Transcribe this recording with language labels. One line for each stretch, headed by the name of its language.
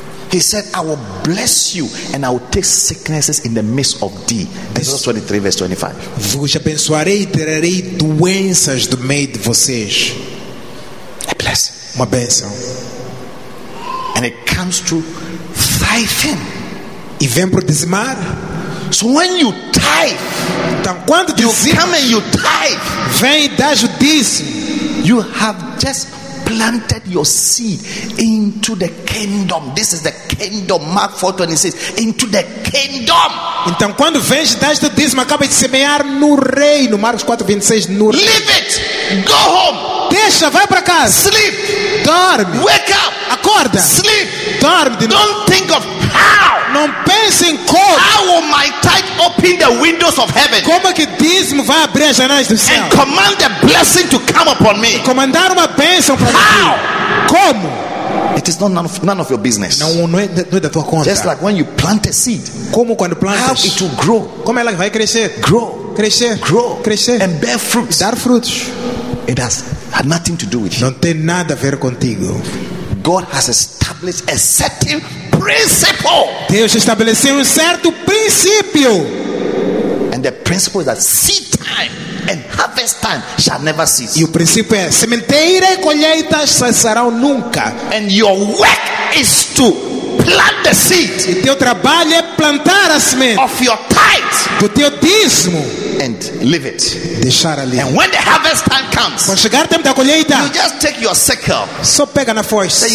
English: He said, I will bless you and I will take sicknesses in the midst of thee. Exodus 23 verse 25.
Portuguese: Vos abençoarei e tirarei doenças do meio de vocês.
English: A blessing.
Portuguese: Uma bênção.
English: And it comes through tithing.
Portuguese: E vem por dizimar.
English: So when you tithe,
Portuguese: então, quando
English: you come and you tithe,
Portuguese: vem e dá o dízimo.
English: You have just planted your seed into the kingdom. This is the kingdom. Mark 4:26. Into the kingdom.
Portuguese: Então, quando vens e dás o dízimo, acaba de semear no reino. Marcos 4:26. No reino.
English: Leave it. Go home.
Portuguese: Deixa, vai para casa.
English: Sleep.
Portuguese: Dorme.
English: Wake up.
Portuguese: Acorda.
English: Sleep.
Portuguese: Dorme de novo.
English: Don't think of how.
Portuguese: Não pense em como.
English: How will my tithe open the windows of heaven?
Portuguese: Como que dízimo vai abrir as janelas do céu?
English: And command a blessing to come upon me.
Portuguese: E comandar uma bênção para mim.
English: How?
Portuguese: Como?
English: It is not none of your business.
Portuguese: Não é da tua conta.
English: Just like when you plant a seed.
Portuguese: Como quando plantas?
English: How it will grow.
Portuguese: Como ela vai crescer?
English: Grow.
Portuguese: Crescer.
English: Grow.
Portuguese: Crescer.
English: And bear fruits.
Portuguese: Dar frutos.
English: It has had nothing to do with you.
Portuguese: Não tem nada a ver contigo.
English: God has established a certain principle.
Portuguese: Deus estabeleceu certo princípio.
English: And the principle is that seed time and harvest time shall never cease.
Portuguese: E o princípio é sementeira e colheita cessarão nunca.
English: And your work is to plant the seed.
Portuguese: E teu trabalho é plantar a semente.
English: Of your tithe.
Portuguese: Do teu dízimo.
English: And leave it.
Portuguese: Deixar ali.
English: And when the harvest time comes,
Portuguese: quando chegar o tempo da colheita,
English: you just take your sickle.
Portuguese: Só pega na foice.